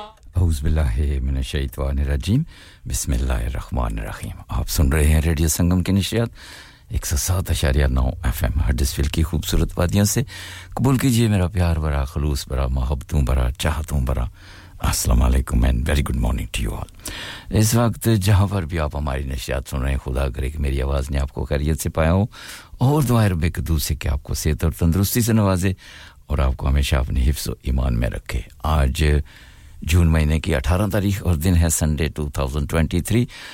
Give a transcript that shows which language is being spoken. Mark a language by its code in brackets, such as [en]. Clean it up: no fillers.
[ur] اعوذ باللہ من الشیطان الرجیم بسم اللہ الرحمن الرحیم آپ سن رہے ہیں ریڈیو سنگم کی نشریات 107.9 FM ہڈسفیلڈ کی خوبصورت وادیوں سے قبول کیجئے میرا پیار برا خلوص برا محبتوں برا چاہتوں برا [en] السلام علیکم and very good morning to you all. [ur] اس وقت جہاں پر بھی آپ ہماری نشیات سن رہے ہیں خدا کرے کہ میری آواز نے آپ کو خیریت سے پایا ہو اور دعائے رب قدوس سے کہ آپ کو صحت اور تندرستی سے نوازے اور آپ کو ہمیشہ اپنے حفظ و ایمان میں رکھے. آج جون مہینے کی 18 تاریخ اور دن ہے سنڈے 2023.